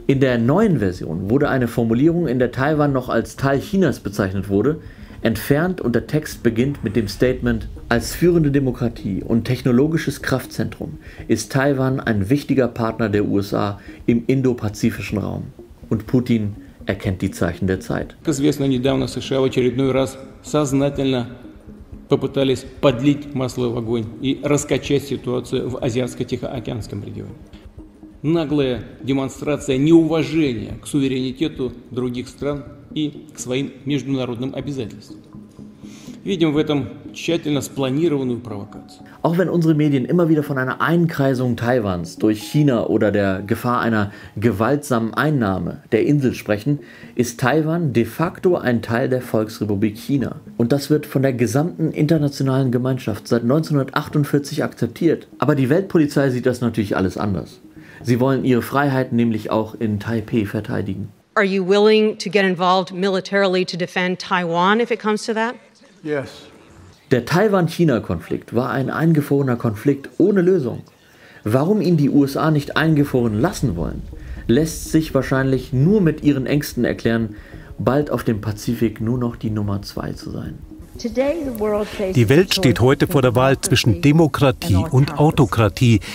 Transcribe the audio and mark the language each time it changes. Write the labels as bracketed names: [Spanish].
[German] In der neuen Version wurde eine Formulierung, in der Taiwan noch als Teil Chinas bezeichnet wurde, entfernt und der Text beginnt mit dem Statement: Als führende Demokratie und technologisches Kraftzentrum ist Taiwan ein wichtiger Partner der USA im indopazifischen Raum. Und Putin erkennt die Zeichen der Zeit. [Russian] Как известно, недавно США в очередной раз сознательно попытались подлить масло в огонь и раскачать ситуацию в Азиатско-Тихоокеанском регионе. Наглая демонстрация неуважения к суверенитету других стран и к своим международным обязательствам. Видим в этом тщательно спланированную провокацию. [German] Auch wenn unsere Medien immer wieder von einer Einkreisung Taiwans durch China oder der Gefahr einer gewaltsamen Einnahme der Insel sprechen, ist Taiwan de facto ein Teil der Volksrepublik China. Und das wird von der gesamten internationalen Gemeinschaft seit 1948 akzeptiert. Aber die Weltpolizei sieht das natürlich alles anders. Sie wollen ihre Freiheit nämlich auch in Taipeh verteidigen. [English] Are you willing to get involved militarily to defend Taiwan if it comes to that? Yes. [German] Der Taiwan-China-Konflikt war ein eingefrorener Konflikt ohne Lösung. Warum ihn die USA nicht eingefroren lassen wollen, lässt sich wahrscheinlich nur mit ihren Ängsten erklären, bald auf dem Pazifik nur noch die Nummer 2 zu sein. Die Welt steht heute vor der Wahl zwischen Demokratie und Autokratie.